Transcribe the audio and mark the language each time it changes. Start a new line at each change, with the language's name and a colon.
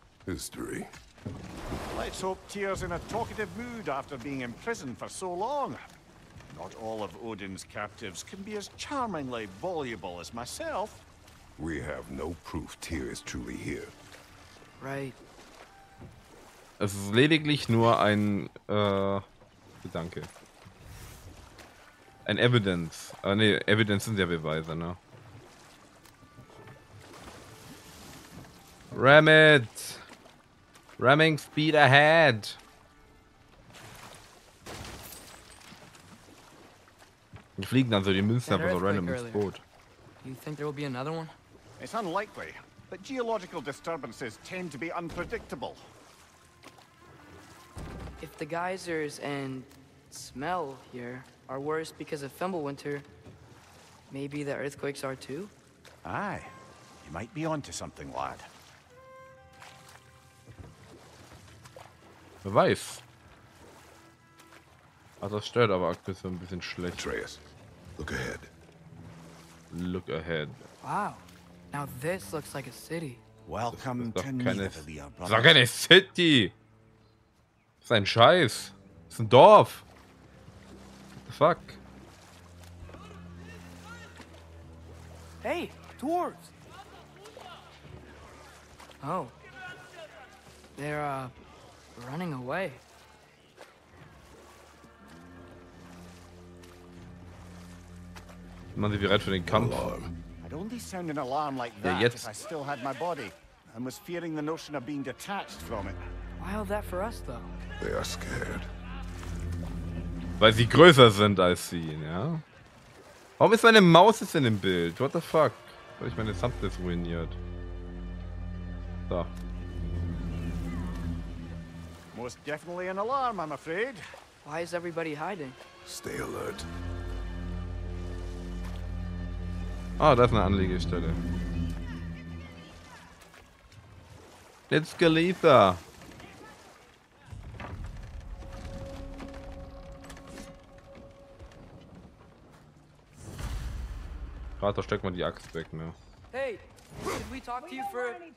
English: History? Let's hope Tyr's in a talkative mood after being imprisoned for so long. Not all of Odin's captives can be as charmingly voluble as myself. We have no proof Tyr is truly here. Right.
German: Es ist lediglich nur ein, Gedanke. Ein Evidence. Evidence sind ja Beweise, ne?
English: Ram it! Ramming speed ahead!
German: Wir fliegen dann so die Münzen einfach so random ins Boot.
English: You think there will be another one? It's unlikely, but geological disturbances tend to be unpredictable. If the geysers and smell here are worse because of Fimbulwinter, maybe the earthquakes are too? Aye. You might be onto something, lad.
German: Wer weiß. Also das stört aber aktuell so ein bisschen schlecht.
English: Atreus, look ahead. Look ahead. Wow. Now this looks like a city. Welcome to Nidavellir, brother.
German: Das ist doch keine City. Das ist ein Scheiß. Das ist ein Dorf.
English: What the fuck? Hey, dwarves. Oh. They're, running away.
German: Man, sie bereit für den Kampf.
English: I'd only sound an alarm like that if I still had my body and was fearing the notion of being detached from it. Why hold that for us, though? They are scared.
German: Weil sie größer sind als sie, ja? Warum ist meine Maus jetzt in dem Bild?
English: What the fuck?
German: Weil ich meine Thumbnails ruiniert. Da.
English: Most definitely an alarm, I'm afraid. Why is everybody hiding? Stay alert.
German: Ah, oh, das ist eine Anlegestelle.
English: Let's go, Letha.
German: Warte, steck mal die Axt weg, ne?
English: Hey, can we talk to you for?